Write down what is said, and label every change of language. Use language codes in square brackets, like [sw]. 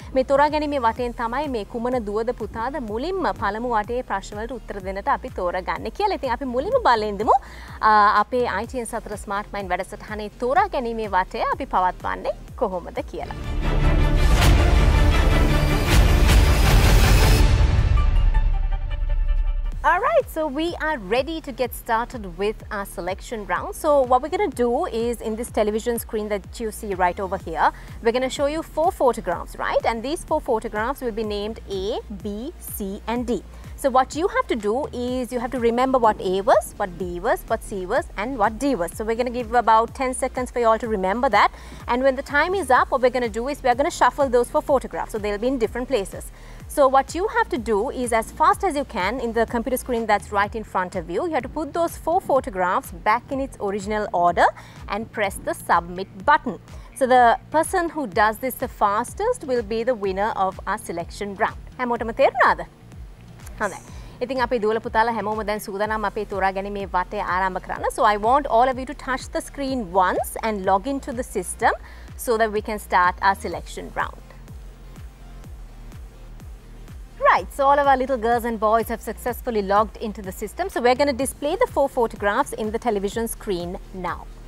[si] මේ තෝරා ගැනීමේ වටෙන් තමයි මේ කුමන දුවද පුතාද මුලින්ම පළමු වටේ ප්‍රශ්න වලට උත්තර දෙන්නට අපි තෝරගන්නේ කියලා. ඉතින් අපි මුලින්ම බලමු අපේ ITN සතර ස්මාර්ට් මයින්ඩ් වැඩසටහනේ තෝරා ගැනීමේ වටය අපි පවත්වන්නේ කොහොමද කියලා. [en] All right, so we are ready to get started with our selection round. So what we're going to do is in this television screen that you see right over here, we're going to show you four photographs, right? And these four photographs will be named A, B, C and D. So what you have to do is you have to remember what A was, what B was, what C was and what D was. So we're going to give about 10 seconds for you all to remember that. And when the time is up, what we're going to do is we're going to shuffle those four photographs. So they'll be in different places. So what you have to do is as fast as you can in the computer screen that's right in front of you, you have to put those four photographs back in its original order and press the submit button. So the person who does this the fastest will be the winner of our selection round. [si] හැමෝටම තේරුණාද? හොඳයි. ඉතින් අපේ දුවල පුතාලා හැමෝම දැන් සූදානම් අපේ තෝරා ගැනීමේ වටේ ආරම්භ කරන්න. [en] So I want all of you to touch the screen once and log into the system so that we can start our selection round. Right, so all of our little girls and boys have successfully logged into the system. So we're going to display the four photographs in the television screen now.